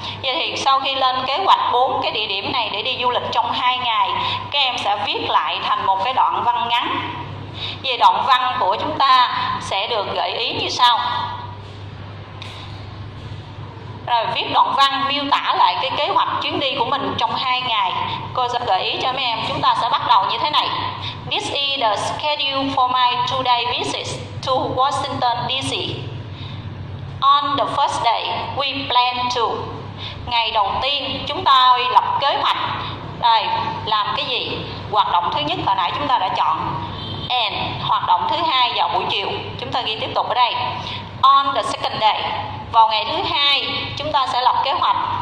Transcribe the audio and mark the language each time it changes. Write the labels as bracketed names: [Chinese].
[Vietnamese] Vậy thì sau khi lên kế hoạch 4 cái địa điểm này để đi du lịch trong 2 ngày, các em sẽ viết lại thành một cái đoạn văn ngắn. Về đoạn văn của chúng ta sẽ được gợi ý như sau. Rồi viết đoạn văn miêu tả lại cái kế hoạch chuyến đi của mình trong 2 ngày. Cô sẽ gợi ý cho mấy em, chúng ta sẽ bắt đầu như thế này. [English] This is the schedule for my 2-day visit to Washington DC. On the first day, we plan to. [Vietnamese] Ngày đầu tiên, chúng ta lập kế hoạch. Đây, làm cái gì? Hoạt động thứ nhất hồi nãy chúng ta đã chọn. And hoạt động thứ hai vào buổi chiều. Chúng ta ghi tiếp tục ở đây. [English] On the second day, [Vietnamese] vào ngày thứ hai, chúng ta sẽ lập kế hoạch.